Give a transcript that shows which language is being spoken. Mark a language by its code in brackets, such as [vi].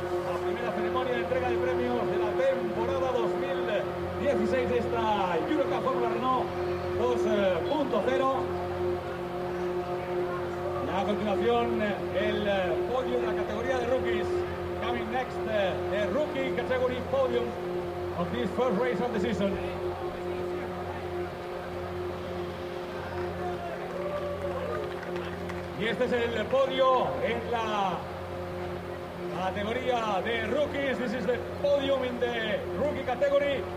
[es] La primera ceremonia de entrega de premios de la temporada 2016 de esta Eurocup Fórmula Renault 2.0. Y a continuación, el podio de la categoría de rookies. [en] Coming next, the rookie category podium of this first race of the season. [es] Y este es el podio en la categoría de rookies. [en] This is the podium in the rookie category.